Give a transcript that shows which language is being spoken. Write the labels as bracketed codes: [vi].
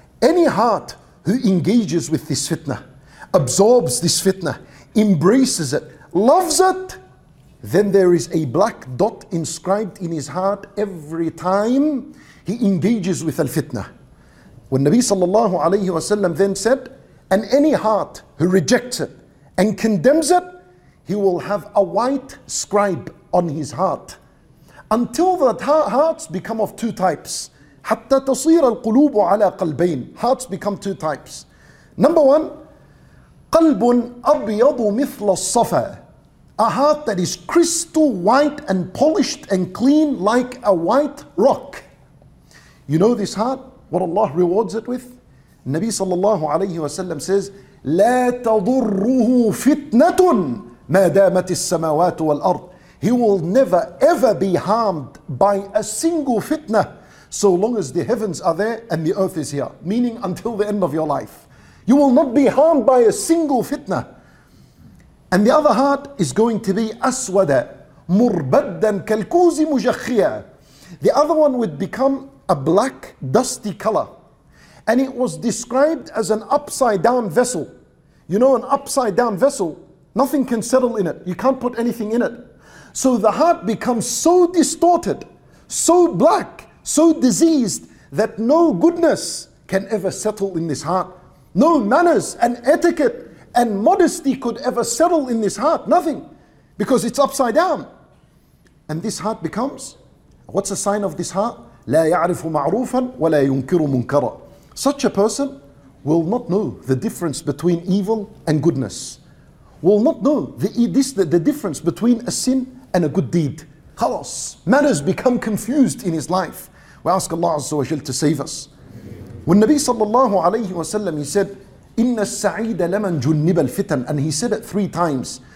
[en] Any heart who engages with this fitna, absorbs this fitna, embraces it, loves it, then there is a black dot inscribed in his heart every time he engages with al-fitna. When Nabi sallallahu alayhi wa sallam then said, and any heart who rejects it and condemns it, he will have a white scribe on his heart. Until the hearts become of two types. [ar] حتى تصير القلوب على قلبين. [en] Hearts become two types. Number one, [ar] قلب أبيض مثل الصفا. [en] A heart that is crystal white and polished and clean like a white rock. You know this heart, what Allah rewards it with? Nabi sallallahu alayhi wa sallam says, [ar] لا تضره فتنة ما دامت السماوات والأرض. [en] He will never ever be harmed by a single fitna so long as the heavens are there and the earth is here, meaning until the end of your life. You will not be harmed by a single fitna. And the other heart is going to be [ar] أسود مربدا كالكوز مجخيا. [en] The other one would become a black, dusty color. And it was described as an upside down vessel. You know, an upside down vessel, nothing can settle in it. You can't put anything in it. So the heart becomes so distorted, so black, so diseased, that no goodness can ever settle in this heart. No manners and etiquette and modesty could ever settle in this heart. Nothing. Because it's upside down. And this heart becomes, what's a sign of this heart? [ar] لا يعرف معروفا ولا ينكر منكرا. [en] Such a person will not know the difference between evil and goodness. Will not know the difference between a sin and a good deed. Khalas, matters become confused in his life. We ask Allah Azza wa Jal to save us. When Nabi sallallahu alayhi wa sallam, he said, [ar] إِنَّ السَّعِيدَ لَمَنْ جُنِّبَ الْفِتَنَ, [en] and he said it three times.